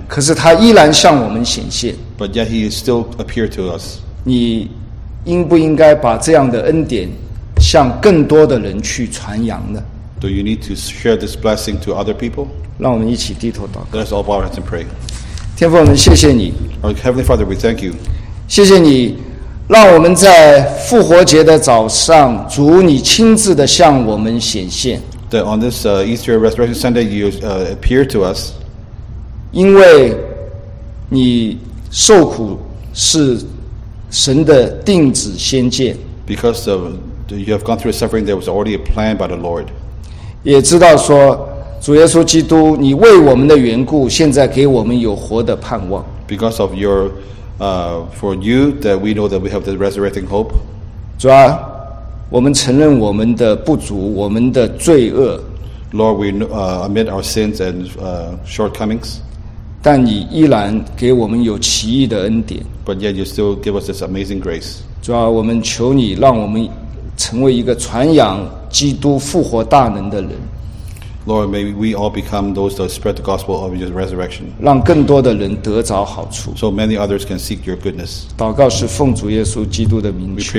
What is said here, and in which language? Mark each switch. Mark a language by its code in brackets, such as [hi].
[zh] 可是他依然向我们显现。 [en] But yet he still appeared to us. [zh] 你应不应该把这样的恩典向更多的人去传扬呢？ [en] Do you need to share this blessing to other people? [zh] 让我们一起低头祷告。 [en] Let's all bow our heads and pray. [zh] 天父，我们谢谢你。 [en] Our Heavenly Father, we thank you. [zh] 谢谢你让我们在复活节的早上，主你亲自的向我们显现。 [en] That on this Easter Resurrection Sunday, you appear to us. [zh] 因为你受苦是神的定旨先见。 [en] Because of you have gone through suffering, there was already a plan by the Lord. [zh] 也知道说主耶稣基督，你为我们的缘故，现在给我们有活的盼望。 [en] Because of your for you, that we know that we have the resurrecting hope. [zh] 主啊，我们承认我们的不足，我们的罪恶。 [en] Lord, we admit our sins and shortcomings. [zh] 但你依然给我们有奇异的恩典。 [en] But yet you still give us this amazing grace. [zh] 主啊，我们求你让我们成为一个传扬基督复活大能的人。 [en] Lord, may we all become those that spread the gospel of your resurrection. [zh] 让更多的人得着好处。 [en] So many others can seek your goodness. [zh] 祷告是奉主耶稣基督的名求。